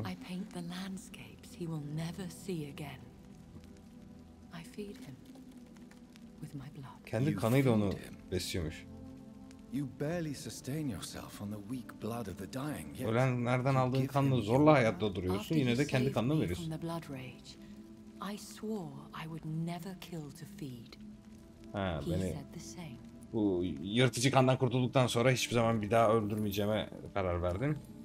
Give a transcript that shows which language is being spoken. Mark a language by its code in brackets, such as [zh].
[en] I paint the landscapes he will never see again. I feed him with my blood. [tr] Kendi kanıyla onu besliyormuş. [en] You barely sustain yourself on the weak blood of the dying. [tr] Ölen nereden aldığın kanla zorla hayatta duruyorsun, yine de kendi kanını veriyorsun. [en] The blood rage. I swore I would never kill to feed. [tr] Ha, beni bu yırtıcı kandan kurtulduktan sonra hiçbir zaman bir daha öldürmeyeceğime karar verdim.